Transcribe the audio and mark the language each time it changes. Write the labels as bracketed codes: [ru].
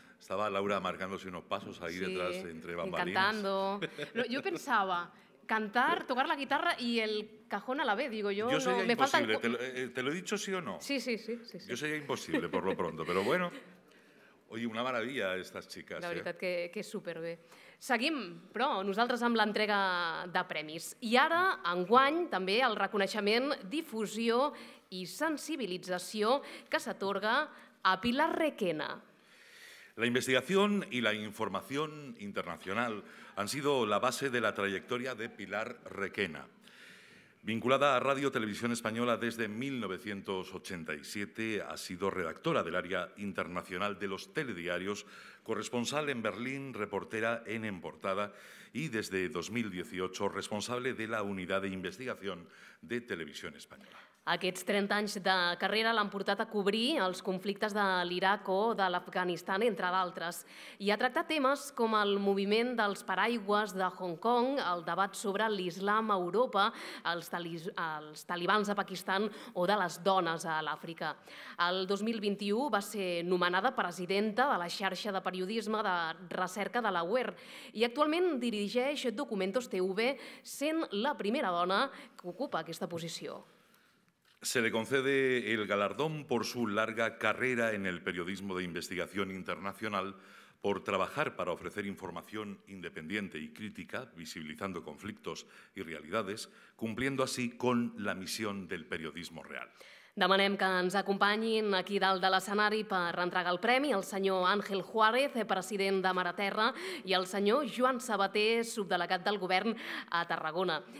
[es] Estava Laura marcándose unos pasos ahí detrás, entre bambalinas. Cantando. No, yo pensaba, cantar, tocar la guitarra y el cajón a la vez, digo yo. Yo sería imposible, ¿te lo he dicho sí o no? Sí. Yo sería imposible, por lo pronto, pero bueno. Oye, una maravilla estas chicas. [ca] La veritat que és superbé. Seguim, però, nosaltres amb l'entrega de premis. I ara, enguany, també el reconeixement, difusió i sensibilització que s'atorga a Pilar Requena. [es] La investigación y la información internacional han sido la base de la trayectoria de Pilar Requena. Vinculada a Radio Televisión Española desde 1987, ha sido redactora del área internacional de los telediarios, corresponsal en Berlín, reportera en portada y desde 2018 responsable de la unidad de investigación de Televisión Española. [ca] Aquests 30 anys de carrera l'han portat a cobrir els conflictes de l'Iraq o de l'Afganistan, entre d'altres, i ha tractat temes com el moviment dels paraigües de Hong Kong, el debat sobre l'islam a Europa, els talibans a Pakistan o de les dones a l'Àfrica. El 2021 va ser nomenada presidenta de la xarxa de periodisme de recerca de la UER i actualment dirigeix Documentos TV, sent la primera dona que ocupa aquesta posició. [es] Se le concede el galardón por su larga carrera en el periodismo de investigación internacional, por trabajar para ofrecer información independiente y crítica, visibilizando conflictos y realidades, cumpliendo así con la misión del periodismo real. [ca] Demanem que ens acompanyin aquí dalt de l'escenari per entregar el premi el senyor Ángel Juárez, president de Mar a Terra, i el senyor Joan Sabater, subdelegat del govern a Tarragona.